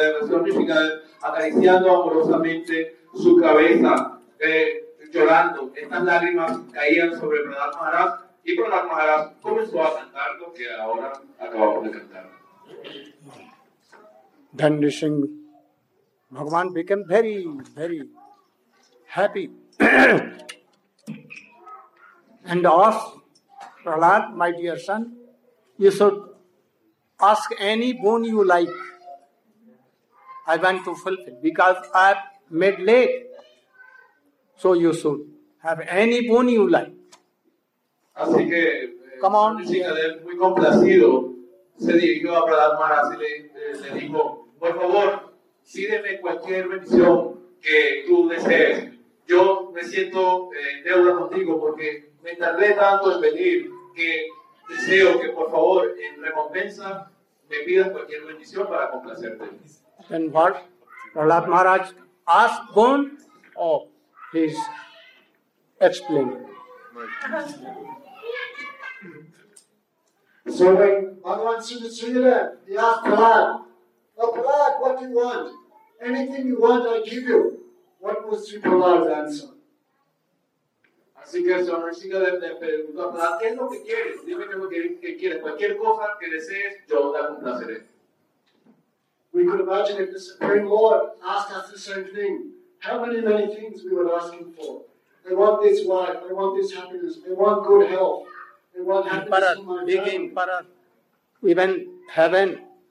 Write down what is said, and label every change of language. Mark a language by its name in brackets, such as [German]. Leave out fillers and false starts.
[Spanish] Amorosamente su cabeza, llorando, estas lágrimas caían sobre Pradhan Maharaj y Pradhan Maharaj comenzó a cantar lo que ahora acabamos de cantar. [English] Dhanrishing Bhagavan became very, very happy and asked, Prahlad, my dear son, you should ask any boon you like. I want to fulfill because I have made late. So you should have any boon you like. [Spanish] Así que, [English] come on. [Spanish] Shikadev, muy complacido, se dirigió a Pradhan Maharaj y le dijo, por favor, pídeme cualquier bendición que tú desees. Yo me siento en deuda contigo porque me tardé tanto en venir que deseo que, por favor, en recompensa, me pidas cualquier bendición para complacerte. [English] Then what? Prahlad Maharaj asked boon or he's explaining. So when Bhagavan Sri Srinivas, he asked Prahlad, oh Prahlad, what do you want? Anything you want, I give you. What was Sri Prahlad's answer? [Spanish] Así que el señor Srinivas le preguntó a Prahlad, ¿qué es lo que quieres? Dime qué es lo que quieres. Cualquier cosa que desees, yo la complaceré. [English] We could imagine if the Supreme Lord asked us the same thing. How many things we would ask him for? I want this wife. I want this happiness. I want good health. I want happiness in my family. Even heaven.